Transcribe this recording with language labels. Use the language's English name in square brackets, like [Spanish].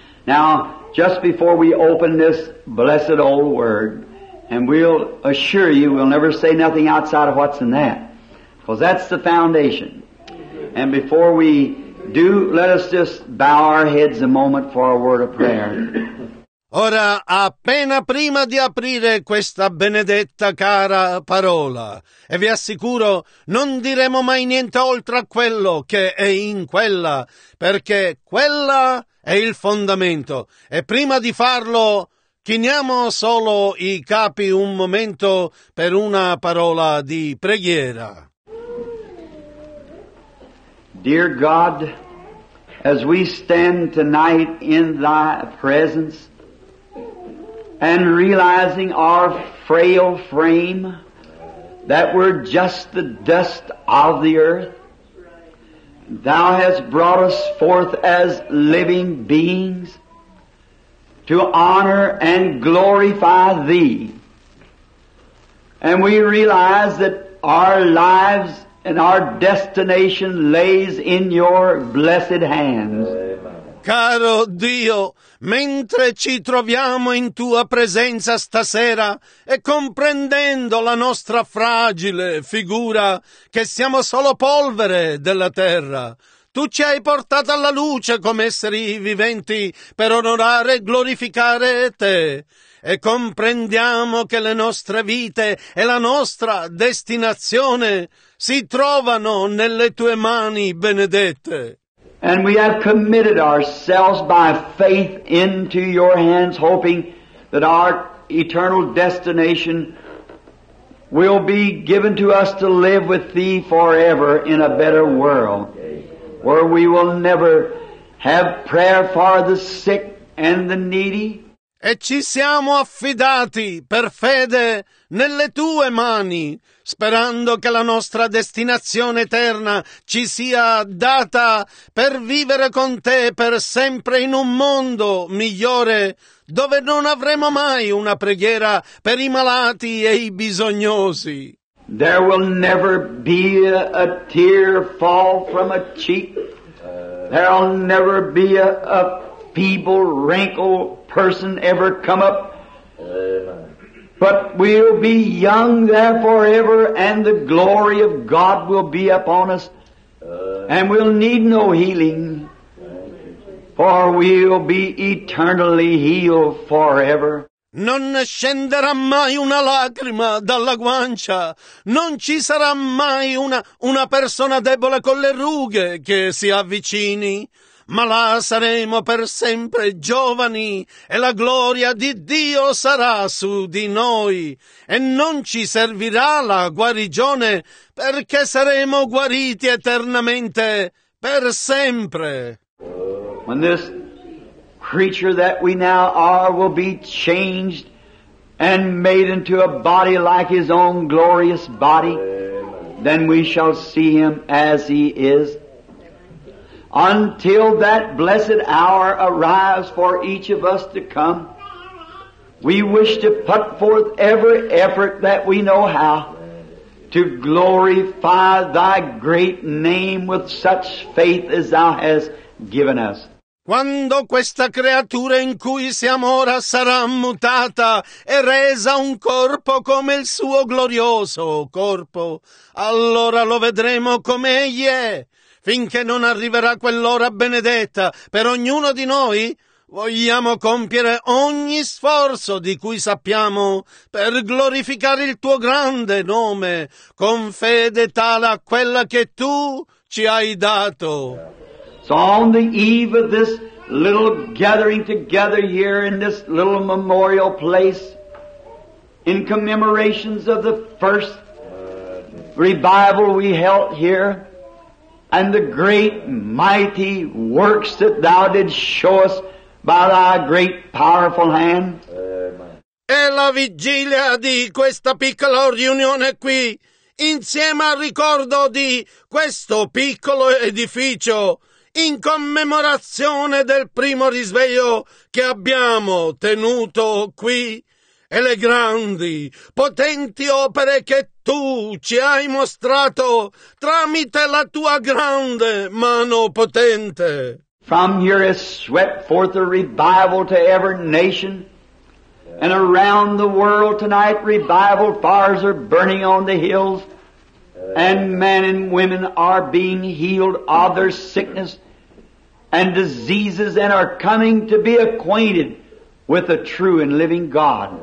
[English] Now, just before we open this blessed old word, and we'll assure you we'll never say nothing outside of what's in that. Because that's the foundation. And before we do, let us just bow our heads a moment for a word of prayer. [Italian] Ora, appena prima di aprire questa benedetta cara parola, e vi assicuro, non diremo mai niente oltre a quello che è in quella, perché quella è il fondamento. E prima di farlo, chiniamo solo i capi un momento per una parola di preghiera. [English] Dear God, as we stand tonight in Thy presence and realizing our frail frame, that we're just the dust of the earth, Thou hast brought us forth as living beings to honor and glorify Thee. And we realize that our lives and our destination lays in your blessed hands. [Italian] Caro Dio, mentre ci troviamo in tua presenza stasera e comprendendo la nostra fragile figura, che siamo solo polvere della terra, tu ci hai portato alla luce come esseri viventi per onorare e glorificare te. E comprendiamo che le nostre vite e la nostra destinazione si trovano nelle tue mani benedette. [English] And we have committed ourselves by faith into your hands, hoping that our eternal destination will be given to us to live with thee forever in a better world, where we will never have prayer for the sick and the needy. [Italian] E ci siamo affidati per fede nelle tue mani, sperando che la nostra destinazione eterna ci sia data per vivere con te per sempre in un mondo migliore, dove non avremo mai una preghiera per i malati e i bisognosi. [English] There will never be a tear fall from a cheek. There will never be a feeble wrinkle person ever come up, but we'll be young there forever, and the glory of God will be upon us, and we'll need no healing, for we'll be eternally healed forever. [Italian] Non scenderà mai una lacrima dalla guancia, non ci sarà mai una persona debole con le rughe che si avvicini. Ma là saremo per sempre giovani e la gloria di Dio sarà su di noi e non ci servirà la guarigione perché saremo guariti eternamente per sempre. [English] When this creature that we now are will be changed and made into a body like his own glorious body, then we shall see him as he is. Until that blessed hour arrives for each of us to come, we wish to put forth every effort that we know how to glorify thy great name with such faith as thou hast given us. [Italian] Quando questa creatura in cui siamo ora sarà mutata e resa un corpo come il suo glorioso corpo, allora lo vedremo come egli è. Finché non arriverà quell'ora benedetta per ognuno di noi, vogliamo compiere ogni sforzo di cui sappiamo per glorificare il tuo grande nome con fede tale a quella che tu ci hai dato. [English] So on the eve of this little gathering together here in this little memorial place in commemorations of the first revival we held here, and the great mighty works that thou didst show us by thy great powerful hand. [Italian] È la vigilia di questa piccola riunione qui insieme al ricordo di questo piccolo edificio, in commemorazione del primo risveglio che abbiamo tenuto qui, e le grandi, potenti opere che tu ci hai mostrato tramite la tua grande mano potente. [English] From here has swept forth a revival to every nation. And around the world tonight, revival fires are burning on the hills. And men and women are being healed of their sickness and diseases and are coming to be acquainted with the true and living God.